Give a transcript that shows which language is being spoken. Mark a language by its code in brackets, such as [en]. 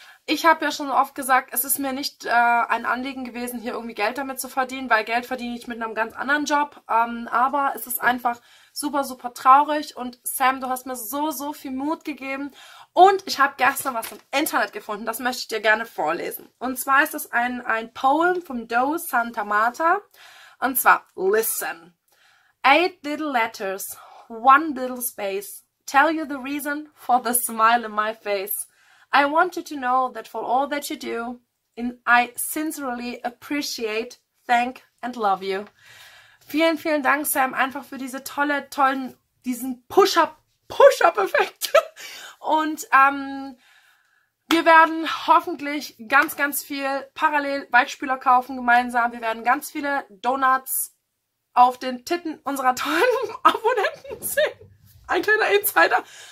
[de] Ich habe ja schon oft gesagt, es ist mir nicht ein Anliegen gewesen, hier irgendwie Geld damit zu verdienen, weil Geld verdiene ich mit einem ganz anderen Job. Aber es ist einfach super, super traurig. Und Sam, du hast mir so, so viel Mut gegeben. Und ich habe gestern was im Internet gefunden, das möchte ich dir gerne vorlesen. Und zwar ist es ein Poem von Doe Santa Marta. Und zwar, listen. [en] 8 little letters, 1 little space, tell you the reason for the smile in my face. I want you to know that for all that you do, I sincerely appreciate, thank and love you. [de] Vielen, vielen Dank, Sam, einfach für diese diesen Push-Up-Effekt. Und wir werden hoffentlich ganz, ganz viel parallel Weichspüler kaufen gemeinsam. Wir werden ganz viele Donuts auf den Titten unserer tollen Abonnenten sehen. Ein kleiner Insider.